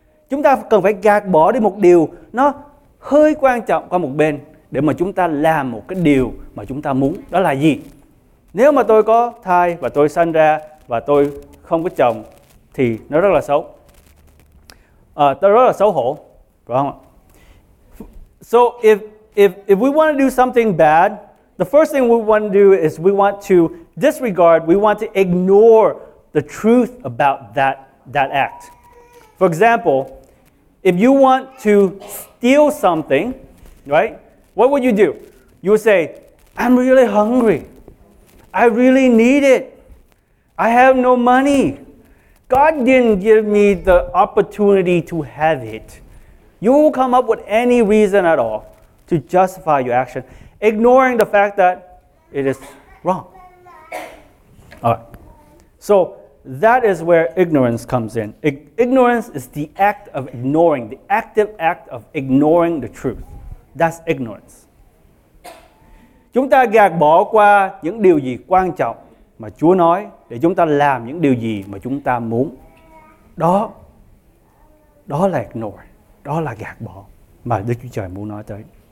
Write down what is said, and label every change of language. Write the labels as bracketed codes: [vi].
[vi] Chúng ta cần phải gạt bỏ đi một điều nó hơi quan trọng qua một bên để mà chúng ta làm một cái điều mà chúng ta muốn. Đó là gì? Nếu mà tôi có thai và tôi sanh ra và tôi không có chồng thì nó rất là xấu. Tôi rất là xấu hổ, phải không ạ? [en] So if we want to do something bad, the first thing we want to do is we want to disregard, we want to ignore the truth about that act. For example, if you want to steal something, right? What would you do? You would say, I'm really hungry. I really need it. I have no money. God didn't give me the opportunity to have it. You will come up with any reason at all to justify your action, ignoring the fact that it is wrong. All right. So that is where ignorance comes in. Ignorance is the act of ignoring, the active act of ignoring the truth. That's ignorance. [vi] Chúng ta gạt bỏ qua những điều gì quan trọng mà Chúa nói để chúng ta làm những điều gì mà chúng ta muốn. Đó là ignore. Đó là gạt bỏ mà Đức Chúa Trời muốn nói tới.